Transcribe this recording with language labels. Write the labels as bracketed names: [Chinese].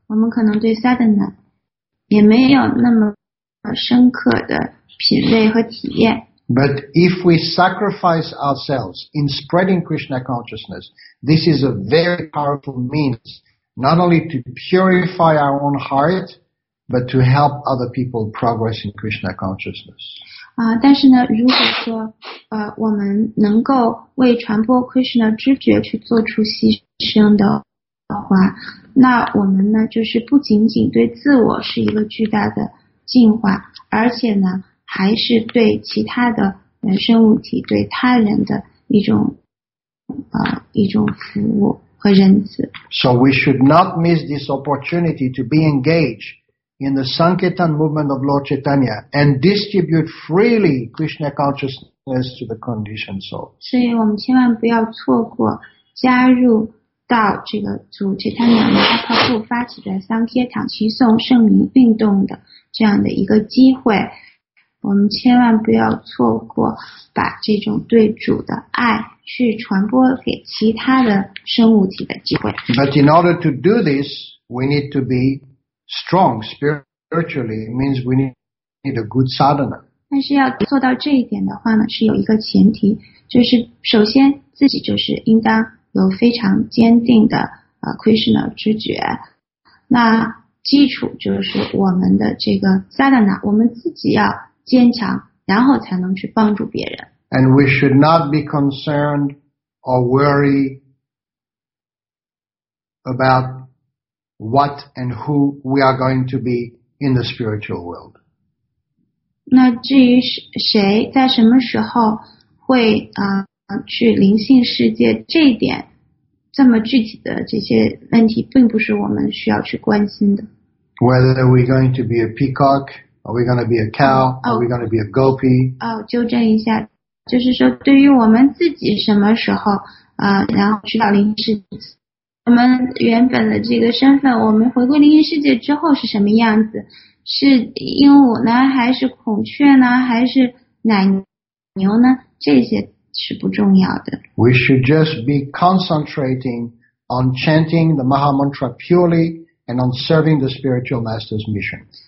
[Chinese] 我们可能对 sadhana 也没有那么深刻的品味和体验。 [English] But if we sacrifice ourselves in spreading Krishna consciousness, this is a very powerful means, not only to purify our own heart, but to help other people progress in Krishna consciousness. [Chinese] 但是呢，如果说我们能够为传播 Krishna 知觉去做出牺牲的话，那我们呢，就是不仅仅对自我是一个巨大的进化，而且呢，还是对其他的生物体、对他人的一种服务和仁慈。 [English] So we should not miss this opportunity to be engaged in the Sankirtan movement of Lord Chaitanya and distribute freely Krishna consciousness to the conditioned soul. [Chinese] 所以我们千万不要错过加入到这个主 Chaitanya Mahaprabhu 发起的 Sankirtan 齐颂圣名运动的这样的一个机会。我们千万不要错过把这种对主的爱去传播给其他的生物体的机会。 [English] But in order to do this, we need to be strong spiritually. It means we need a good sadhana. [Chinese] 但是要做到这一点的话呢，是有一个前提，就是首先自己就是应当有非常坚定的Krishna 知觉。那基础就是我们的这个 sadhana， 我们自己要坚强，然后才能去帮助别人。 [English] And we should not be concerned or worry about what and who we are going to be in the spiritual world. [Chinese] 那至于谁在什么时候会去灵性世界，这一点这么具体的这些问题，并不是我们需要去关心的。 [English] Whether we're going to be a peacock. Are we going to be a cow? Are we going to be a gopi? [Chinese] 纠正一下，就是说对于我们自己什么时候然后去到灵异世界，我们原本的这个身份，我们回归灵异世界之后是什么样子？是鹦鹉呢，还是孔雀呢，还是奶牛呢？这些是不重要的。 [English] We should just be concentrating on chanting the Maha Mantra purely and on serving the spiritual master's mission.